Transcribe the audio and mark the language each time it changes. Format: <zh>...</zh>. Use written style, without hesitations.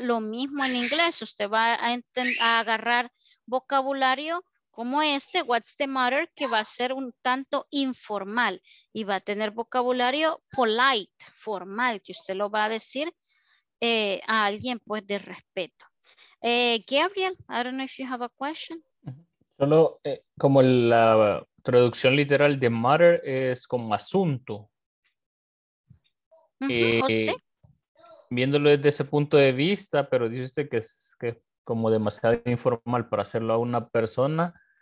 <es>Lo mismo en inglés, usted va a agarrar vocabulario como este,</es> <en>what's the matter,</en> <es>que va a ser un tanto informal y va a tener vocabulario polite, formal, que usted lo va a decir a alguien pues de respeto.</es> <en>Gabriel, I don't know if you have a question.</en> <es>Solo como la traducción literal de matter es como asunto. Uh-huh. ¿Sí? Viéndolo desde ese punto de vista, pero dice usted que es como demasiado informal para hacerlo a una persona.</es>